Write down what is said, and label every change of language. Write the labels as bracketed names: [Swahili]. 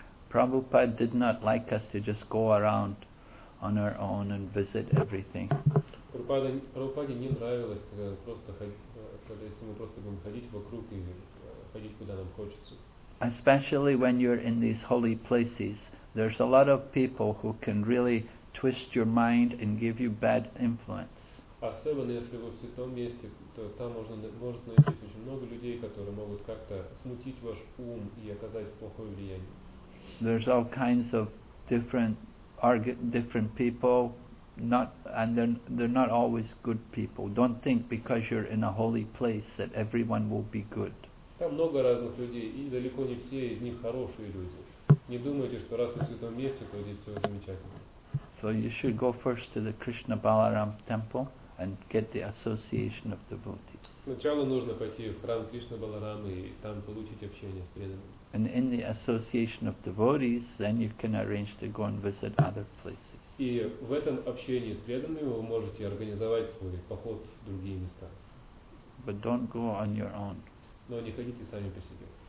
[English] Prabhupada did not like us to just go around on our own and visit everything. [Russian] Прабхупаде не нравилось, когда если мы просто будем ходить вокруг и ходить куда нам хочется. [English] Especially when you're in these holy places, there's a lot of people who can really twist your mind and give you bad influence. [Russian] Особенно если вы в святом месте, то там может найти очень много людей, которые могут как-то смутить ваш ум и оказать плохое влияние. [English] There's all kinds of different people, they're not always good people. Don't think because you're in a holy place that everyone will be good. [Russian] Там много разных людей, и далеко не все из них хорошие люди. Не думайте, что раз на святом месте, то здесь все замечательно. [English] So you should go first to the Krishna Balaram temple and get the association of devotees. [Russian] Сначала нужно пойти в храм Кришна Баларамы и там получить общение с преданными. [English] And in the association of devotees, then you can arrange to go and visit other places. [Russian] И в этом общении с преданными вы можете организовать свой поход в другие места. [English] But don't go on your own. [Russian] Но не ходите сами по себе.